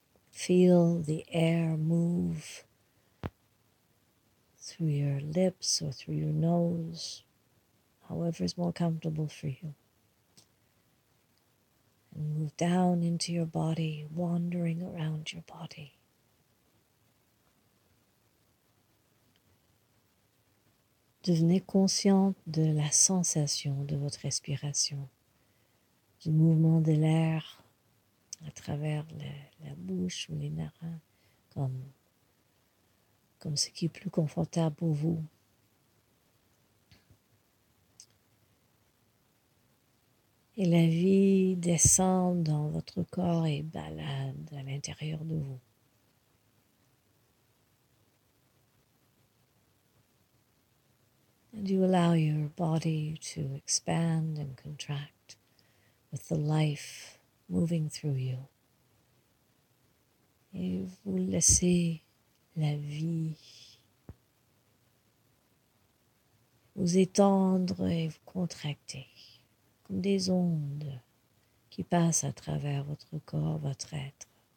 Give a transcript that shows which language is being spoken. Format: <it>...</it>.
<en>Feel the air move through your lips or through your nose, however is more comfortable for you. And move down into your body, wandering around your body.</en> <fr>Devenez consciente de la sensation de votre respiration, du mouvement de l'air à travers la bouche ou les narines, comme ce qui est plus confortable pour vous. Et la vie l'énergie descend dans votre corps et balade à l'intérieur de vous.</fr> <en>And you allow your body to expand and contract with the life moving through you.</en> <fr>Et vous laissez la vie vous étendre et vous contracter comme des ondes qui passent à travers votre corps, votre être.</fr>